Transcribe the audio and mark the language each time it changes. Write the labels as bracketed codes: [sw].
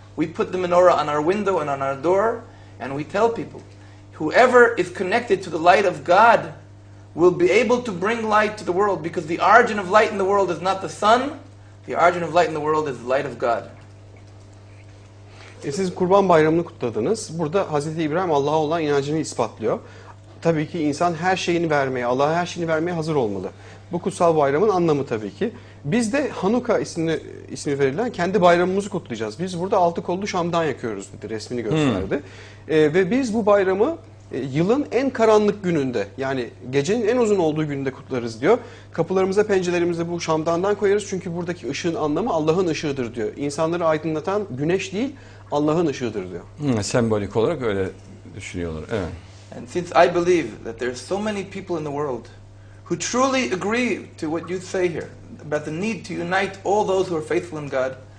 [en] We put the menorah on our window and on our door, and we tell people, whoever is connected to the light of God will be able to bring light to the world, because the origin of light in the world is not the sun, the origin of light in the world is the light of God. [tr] Siz Kurban Bayramı'nı kutladınız. Burada Hazreti İbrahim Allah'a olan inancını ispatlıyor. Tabii ki insan her şeyini vermeye, Allah'a her şeyini vermeye hazır olmalı. Bu kutsal bayramın anlamı tabii ki. Biz de Hanukkah ismi verilen kendi bayramımızı kutlayacağız. Biz burada altı kollu şamdan yakıyoruz dedi, resmini gösterdi. Ve biz bu bayramı yılın en karanlık gününde, yani gecenin en uzun olduğu gününde kutlarız diyor. Kapılarımıza, pencerelerimize bu şamdandan koyarız. Çünkü buradaki ışığın anlamı Allah'ın ışığıdır diyor. İnsanları aydınlatan güneş değil, Allah'ın ışığıdır diyor. Sembolik olarak öyle düşünüyorlar. Evet. [en] And since I believe that there are so many people in the world who truly agree to what you say here, about the need to unite all those who are faithful in God,